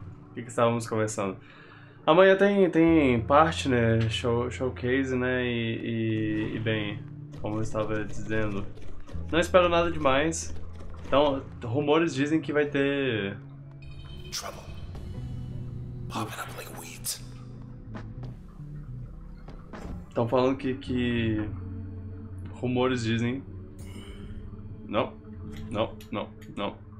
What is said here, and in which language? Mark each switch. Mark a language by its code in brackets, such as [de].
[pt] O que que estávamos conversando? Amanhã tem parte, né? Showcase, né? E bem, como eu estava dizendo, não espero nada demais. Então, rumores dizem que vai ter. [en] Trouble popping up like weeds. [pt] Estão falando que rumores dizem. Não, não, não, não.